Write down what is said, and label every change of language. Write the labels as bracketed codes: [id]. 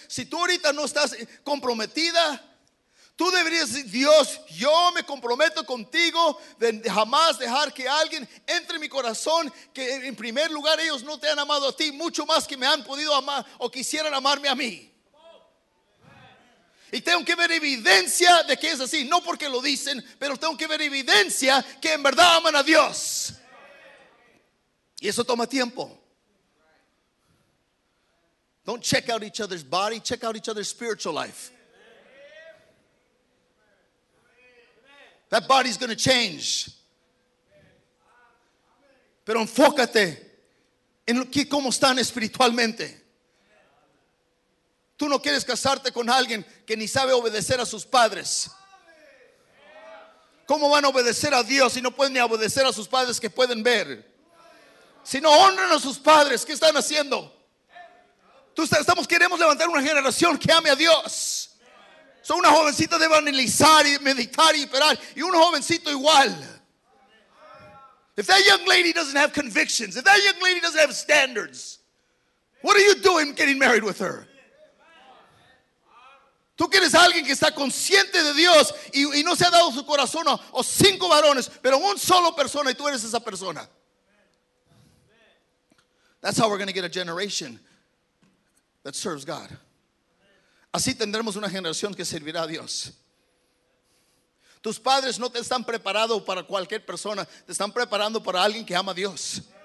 [es] Si tú ahorita no estás comprometida, tú deberías decir: Dios, yo me comprometo contigo de jamás dejar que alguien entre en mi corazón, que en primer lugar ellos no te han amado a ti mucho más que me han podido amar o quisieran amarme a mí. Y tengo que ver evidencia de que es así, no porque lo dicen, pero tengo que ver evidencia que en verdad aman a Dios. Y eso toma tiempo. [en] Don't check out each other's body, check out each other's spiritual life. That body's going to change. [es] Pero enfócate en cómo están espiritualmente. Tú no quieres casarte con alguien que ni sabe obedecer a sus padres. ¿Cómo van a obedecer a Dios si no pueden ni obedecer a sus padres que pueden ver? Si no honran a sus padres, ¿qué están haciendo? Queremos levantar una generación que ame a Dios. Son una jovencita debe analizar y meditar y esperar. Y un jovencito igual. [en] If that young lady doesn't have convictions, if that young lady doesn't have standards, what are you doing getting married with her? [es] Tú quieres a alguien que está consciente de Dios y no se ha dado su corazón o cinco varones, pero un solo persona, y tú eres esa persona. [en] That's how we're going to get a generation that serves God. [es] Así tendremos una generación que servirá a Dios. Tus padres no te están preparando para cualquier persona, te están preparando para alguien que ama a Dios.